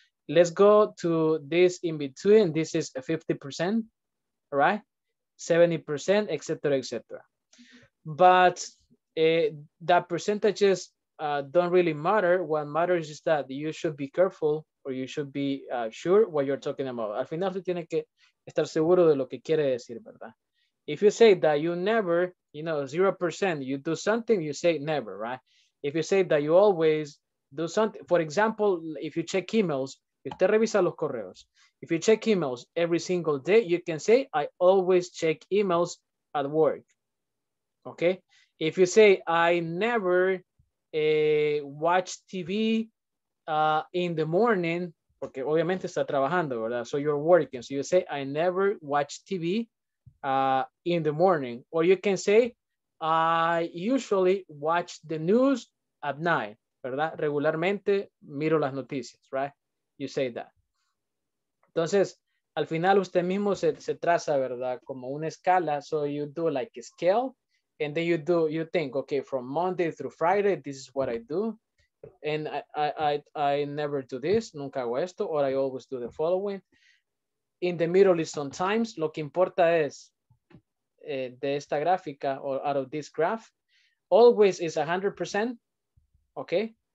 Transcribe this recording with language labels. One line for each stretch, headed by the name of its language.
English: Let's go to this in between. This is 50%, right? 70%, et cetera, et cetera. But the percentages don't really matter. What matters is that you should be careful, or you should be sure what you're talking about.
Spanish: Al final, tú tienes que estar seguro de lo que quiere decir, ¿verdad?
English: If you say that you never, you know, 0%, you do something, you say never, right? If you say that you always do something, for example, if you check emails,
Spanish: usted revisa los correos.
English: If you check emails every single day, you can say, I always check emails at work, okay? If you say, I never watch TV, in the morning,
Spanish: porque obviamente está trabajando, ¿verdad?
English: So you're working. So you say, I never watch TV in the morning. Or you can say, I usually watch the news at night,
Spanish: ¿verdad? Regularmente miro las noticias,
English: right? You say that.
Spanish: Entonces, al final usted mismo se traza, ¿verdad? Como una escala.
English: So you do like a scale. And then you think, okay, from Monday through Friday, this is what I do. And I never do this,
Spanish: nunca hago esto,
English: or I always do the following. In the middle is sometimes,
Spanish: lo que importa es de esta gráfica,
English: or out of this graph, always is 100%, okay?